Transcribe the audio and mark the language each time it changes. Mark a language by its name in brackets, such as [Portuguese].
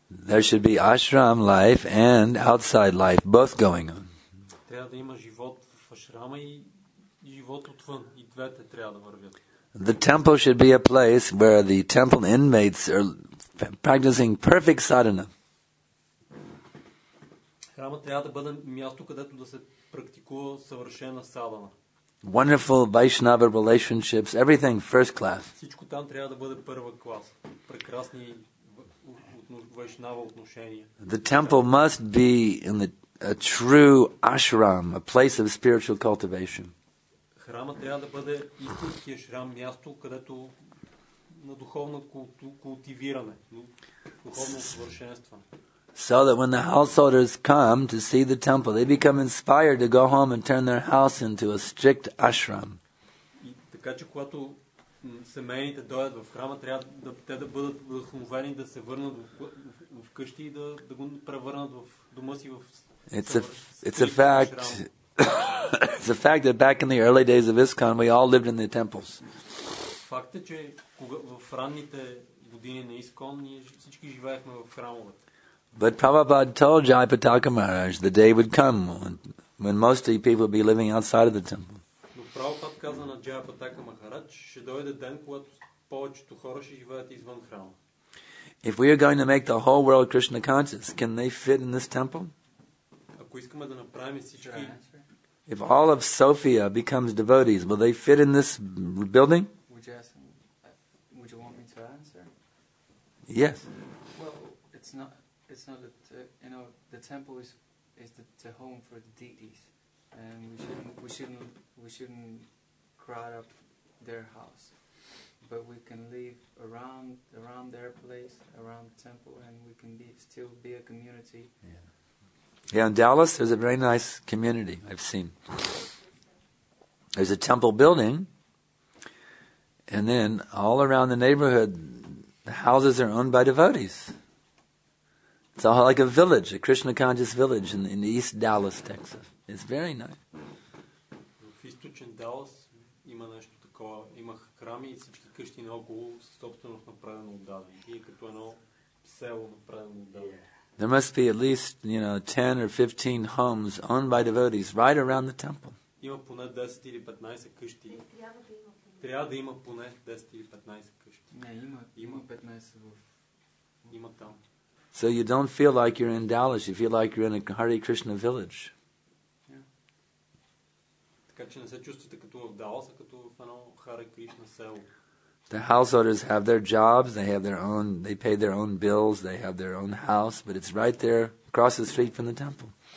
[English] There should be ashram life and outside life both going on. [Bulgarian] Трябва да има живот в ашрама и живот отвън, и двете трябва да вървят. [English] The temple should be a place where the temple inmates are practicing perfect sadhana. [Bulgarian] Храма трябва да бъде място, където да се практикува съвършена садана. [English] Wonderful Vaishnava relationships, everything first class. [Bulgarian] Всичко там трябва да бъде първа клас. Прекрасни вайшнава отношения. [English] The temple must be in a true ashram, a place of spiritual cultivation. [Bulgarian] Храма трябва да бъде истинския шрам, място, където на духовно култивиране, духовно съвършенстване. [English] So that when the householders come to see the temple, they become inspired to go home and turn their house into a strict ashram. [Bulgarian] И така че когато семейните дойдат в храма, трябва да те да бъдат вдъхновени да се върнат в къщи и да го превърнат в дома си в [English] It's a fact. It's a fact that back in the early days of ISKCON, we all lived in the temples. [Bulgarian] Факт е, че в ранните години на ISKCON ние всички живеехме в храмовете. [English] But Prabhupada told Jai Pataka Maharaj the day would come when most of the people would be living outside of the temple. [Bulgarian] Но Prabhupada каза на Jai Pataka Maharaj, ще дойде ден, когато повечето хора ще живеят извън храма. [English] If we are going to make the whole world Krishna conscious, can they fit in this temple? [Bulgarian] Ако искаме да направим всички... [English] If all of Sofia becomes devotees, will they fit in this building? Would you want me to answer? Yes. Well, it's not that, you know, the temple is the home for the deities, and we shouldn't crowd up their house, but we can live around their place, around the temple, and we can still be a community. Yeah. Yeah, in Dallas, there's a very nice community I've seen. There's a temple building, And then all around the neighborhood, the houses are owned by devotees. It's all like a village, a Krishna conscious village in East Dallas, Texas. It's very nice. [Bulgarian] В Източен Далас има нещо такова. Имаха храми и всички къщи наоколо са собственост направено от дадени. И като едно село направено от дадени. [English] There must be at least, you know, 10 or 15 homes owned by devotees right around the temple. [Bulgarian] Има поне 10 или 15 къщи. Трябва да има поне 10 или 15 къщи. Не, има 15 в... Има там. [English] So you don't feel like you're in Dallas, you feel like you're in a Hare Krishna village. [Bulgarian] Така че не се чувствате като в Далас, а като в едно Hare Krishna село. [English] The householders have their jobs, they have their own, they pay their own bills, they have their own house, but it's right there across the street from the temple.